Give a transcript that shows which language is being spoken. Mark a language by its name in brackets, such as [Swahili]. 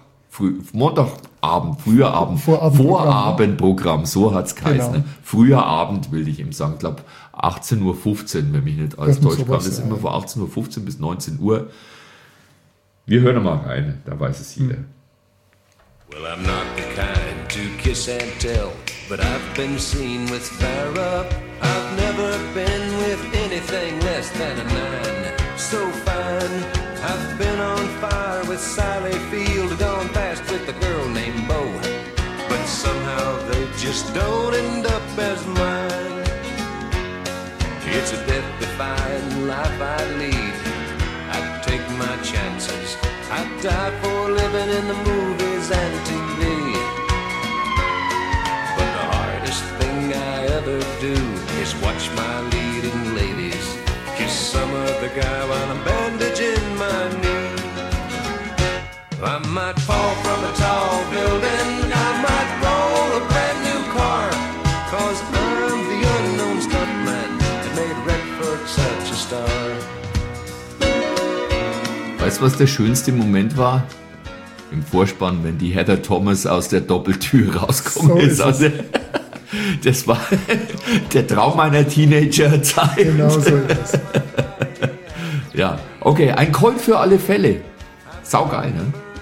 [German] Vorabendprogramm, so hat es geheißen. Genau. Früher Abend, will ich eben sagen, ich glaube 18.15 Uhr, wenn mich nicht alles täuscht. Das ist immer von 18.15 Uhr bis 19 Uhr. Wir hören mal rein, da weiß es jeder. [English] Well, I'm not the kind to kiss and tell, but I've been seen with Farrah. I've never been with anything less than a man so fine. I've been on fire with Sally Field, gone fast with a girl named Bo. But somehow they just don't end up as mine. It's a death-defying life I lead. My chances, I'd die for living in the movies and TV. But the hardest thing I ever do is watch my leading ladies kiss some other guy while I'm bandaging my knee. I might fall from a tall building, I might roll a brand new car, 'cause I'm the unknown stuntman that made Redford such a star. [German] Weißt du, was der schönste Moment war? Im Vorspann, wenn die Heather Thomas aus der Doppeltür rauskommt. So ist also, es. Das war der Traum meiner Teenagerzeit. Genau so ist es. Ja, okay, ein Call für alle Fälle. Saugeil, ne?